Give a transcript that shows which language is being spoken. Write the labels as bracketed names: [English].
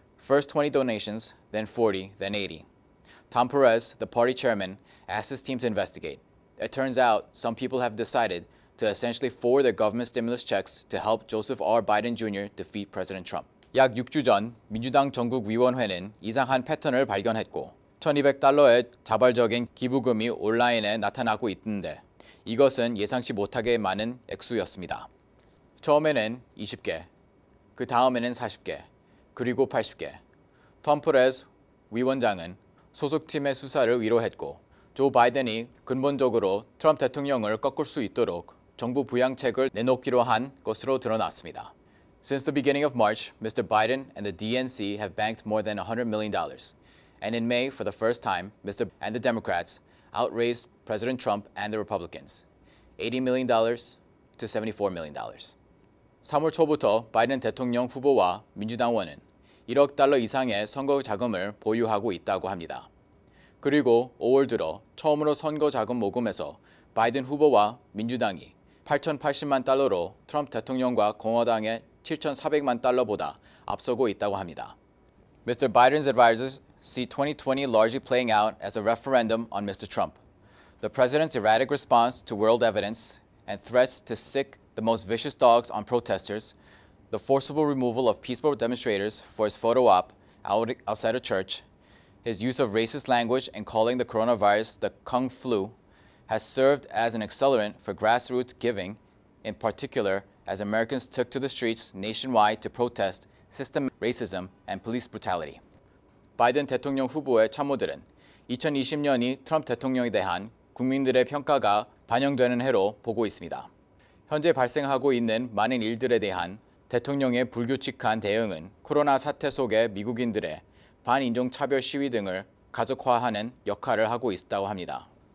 [English] First 20 donations, then 40, then 80. Tom Perez, the party chairman, asked his team to investigate. It turns out some people have decided to essentially forward their government stimulus checks to help Joseph R. Biden Jr. defeat President Trump. [Korean] 약 6주 전, 민주당 전국위원회는 이상한 패턴을 발견했고, $1,200의 자발적인 기부금이 온라인에 나타나고 있는데, 이것은 예상치 못하게 많은 액수였습니다. 처음에는 20개, 그 다음에는 40개, 그리고 80개. 톰 프레스 위원장은 소속팀의 수사를 위로했고, 조 바이든이 근본적으로 트럼프 대통령을 꺾을 수 있도록 정부 부양책을 내놓기로 한 것으로 드러났습니다. [English] Since the beginning of March, Mr. Biden and the DNC have banked more than $100 million. And in May, for the first time, Mr. and the Democrats outraised President Trump and the Republicans, $80 million to $74 million. [Korean] 3월 초부터 바이든 대통령 후보와 민주당원은 1억 달러 이상의 선거 자금을 보유하고 있다고 합니다. 그리고 5월 들어 처음으로 선거 자금 모금에서 바이든 후보와 민주당이 8,080만 달러로 트럼프 대통령과 공화당의 7,400만 달러보다 앞서고 있다고 합니다. [English] Mr. Biden's advisors see 2020 largely playing out as a referendum on Mr. Trump. The president's erratic response to world evidence and threats to sick the most vicious dogs on protesters, the forcible removal of peaceful demonstrators for his photo op outside a church, his use of racist language and calling the coronavirus the Kung Flu has served as an accelerant for grassroots giving, in particular as Americans took to the streets nationwide to protest system racism and police brutality. [Korean] 바이든 대통령 후보의 참모들은 2020년이 트럼프 대통령에 대한 국민들의 평가가 반영되는 해로 보고 있습니다. 현재 발생하고 있는 많은 일들에 대한 대통령의 불규칙한 대응은 코로나 사태 속의 미국인들의 반인종차별 시위 등을 가속화하는 역할을 하고 있다고 합니다.